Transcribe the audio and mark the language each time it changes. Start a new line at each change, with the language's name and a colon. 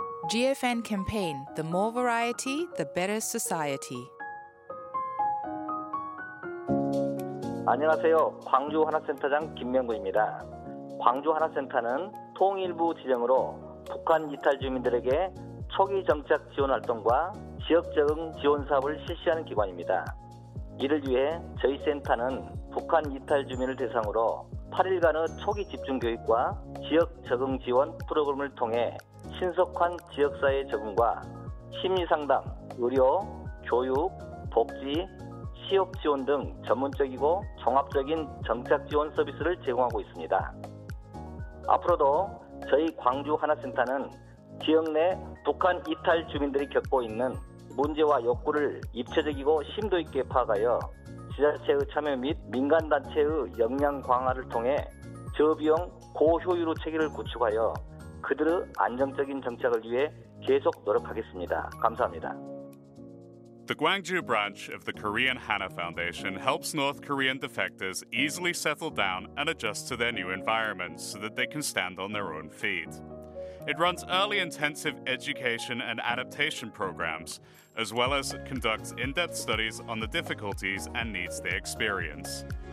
English: GFN campaign, the more variety, the better society.
Korean: 안녕하세요. 광주 하나센터장 김명구입니다. 광주 하나센터는 통일부 지정으로 북한 이탈 주민들에게 초기 정착 지원 활동과 지역 적응 지원 사업을 실시하는 기관입니다. 이를 위해 저희 센터는 북한 이탈 주민을 대상으로 8일간의 초기 집중 교육과 지역 적응 지원 프로그램을 통해 신속한 지역사회 적응과 심리 상담, 의료, 교육, 복지, 취업 지원 등 전문적이고 종합적인 정착 지원 서비스를 제공하고 있습니다. 앞으로도 저희 광주 하나센터는 지역 내 북한 이탈 주민들이 겪고 있는 문제와 욕구를 입체적이고 심도 있게 파악하여 지자체의 참여 및 민간단체의 역량 강화를 통해 저비용 고효율의 체계를 구축하여 그들의 안정적인 정착을 위해 계속 노력하겠습니다. 감사합니다.
English: The Gwangju branch of the Korean Hana Foundation helps North Korean defectors easily settle down and adjust to their new environments so that they can stand on their own feet. It runs early intensive education and adaptation programs, as well as conducts in-depth studies on the difficulties and needs they experience.